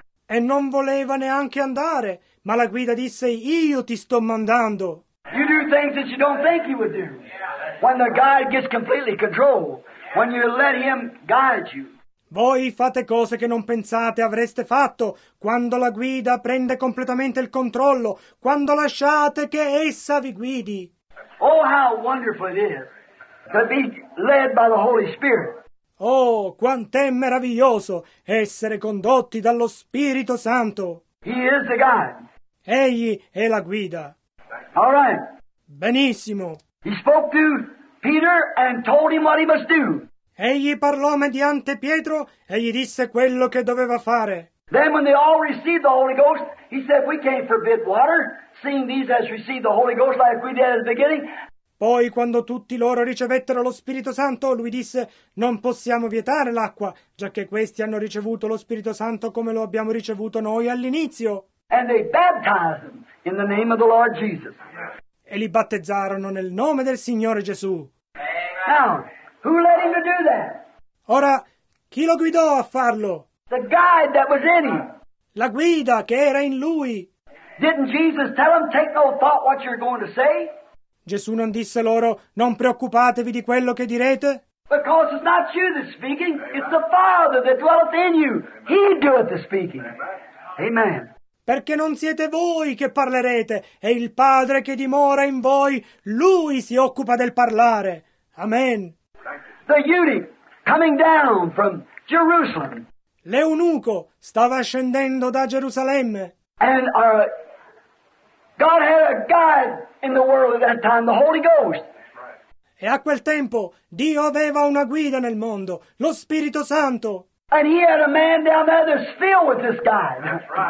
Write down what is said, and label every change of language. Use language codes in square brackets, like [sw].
[it] E non voleva neanche andare, ma la guida disse, io ti sto mandando. [en] You do things that you don't think you would do. When the guide gets completely control, when you let him guide you. [it] Voi fate cose che non pensate avreste fatto, quando la guida prende completamente il controllo, quando lasciate che essa vi guidi. [en] Oh, how wonderful it is to be led by the Holy Spirit. [it] Oh, quant'è meraviglioso essere condotti dallo Spirito Santo. [en] He is the guide. [it] Egli è la guida. [en] All right. [it] Benissimo. [en] He spoke to Peter and told him what he must do. [it] Egli parlò mediante Pietro e gli disse quello che doveva fare. [en] Then when they all received the Holy Ghost, he said, "We can't forbid water, seeing these has received the Holy Ghost like we did at the beginning." [it] Poi, quando tutti loro ricevettero lo Spirito Santo, lui disse, non possiamo vietare l'acqua, già che questi hanno ricevuto lo Spirito Santo come lo abbiamo ricevuto noi all'inizio. [en] And they baptized them in the name of the Lord Jesus. [it] E li battezzarono nel nome del Signore Gesù. [en] Now, who led him to do that? [it] Ora, chi lo guidò a farlo? [en] The guide that was in him. [it] La guida che era in lui. [en] Didn't Jesus tell him, "Take no thought what you're going to say"? [it] Gesù non disse loro, non preoccupatevi di quello che direte? [en] Because it's not you that's speaking, it's the Father that dwelleth in you. He doeth the speaking. Amen. [it] Perché non siete voi che parlerete, è il Padre che dimora in voi, Lui si occupa del parlare. [en] Amen. The eunuch coming down from Jerusalem. [it] L'eunuco stava scendendo da Gerusalemme. [en] And God had a guide in the world at that time, the Holy Ghost. [it] E a quel tempo Dio aveva una guida nel mondo, lo Spirito Santo. [en] And he had a man down there that's filled with this guide.